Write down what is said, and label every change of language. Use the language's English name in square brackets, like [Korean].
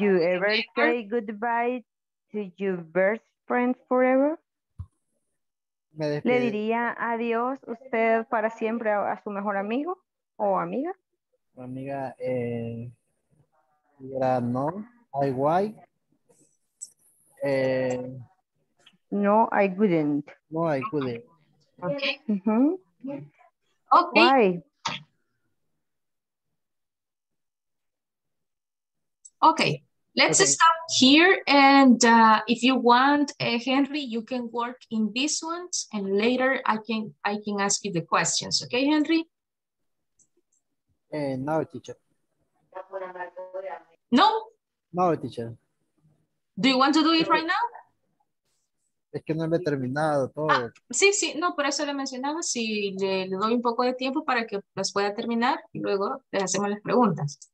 [English] you ever say goodbye to your best friend forever? [Spanish] ¿Le diría adiós usted para siempre a su mejor amigo o amiga? Amiga, era no, igual. [English] No, I wouldn't. No, I couldn't. Okay. Mm-hmm. Okay. Why? Okay, let's stop here, and if you want, Henry, you can work in this one, and later I can ask you the questions. Okay, Henry? No, teacher. No? No, teacher. Do you want to do it right now? [Spanish] Es que no me he terminado todo. Ah, sí, sí, no, por eso le mencionaba, si le doy un poco de tiempo para que las pueda terminar, y luego le hacemos las preguntas.